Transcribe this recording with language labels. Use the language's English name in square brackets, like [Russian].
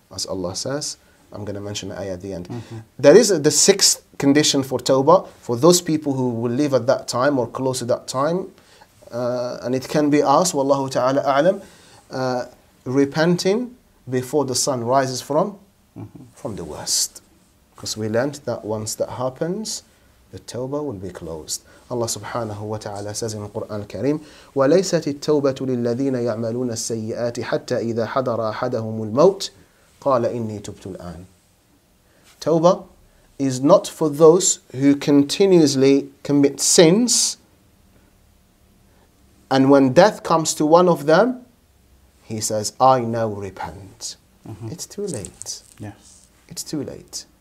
[English] As Allah says, I'm going to mention the ayah at the end. Mm-hmm. There is the sixth condition for tawbah, for those people who will live at that time or close to that time, and it can be us, [Arabic] wallahu ta'ala a'lam, [English] repenting before the sun rises from from the west. Because we learned that once that happens, the tawbah will be closed. Allah subhanahu wa ta'ala says in the Quran al-Kareem, [Arabic] وَلَيْسَتِ التَّوْبَةُ لِلَّذِينَ يَعْمَلُونَ السَّيِّئَاتِ حَتَّى إِذَا حَضَرَ أَحَدَهُمُ الْمَوْتِ قَالَ إِنِّي تُبْتُ الْآنِ. [English] Tawbah is not for those who continuously commit sins, and when death comes to one of them, he says, I now repent. Mm-hmm. It's too late. Yes. It's too late.